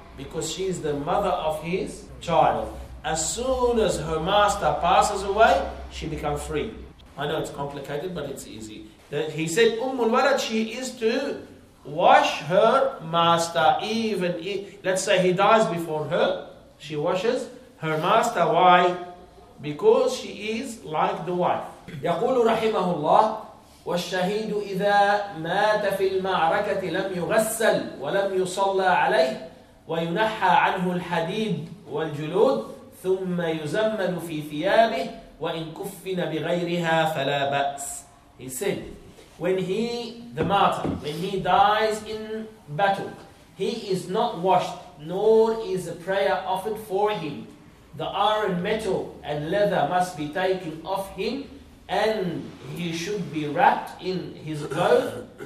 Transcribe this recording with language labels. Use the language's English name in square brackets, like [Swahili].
[English] Because she is the mother of his child. As soon as her master passes away, she becomes free. I know it's complicated, but it's easy. He said, Umm al-Walad, she is to wash her master. Even if, let's say he dies before her, she washes her master. Why? Because she is like the wife. [Arabic] يقول رحمه الله والشهيد إذا مات في المعركة لم يغسل ولم يصلى عليه وينحى عنه الحديد والجلود ثم يزمن في ثيابه وإن كفن بغيرها فلا بأس. [English] He said, when he, the martyr, when he dies in battle, he is not washed, nor is a prayer offered for him. The iron, metal, and leather must be taken off him, and he should be wrapped in his clothes.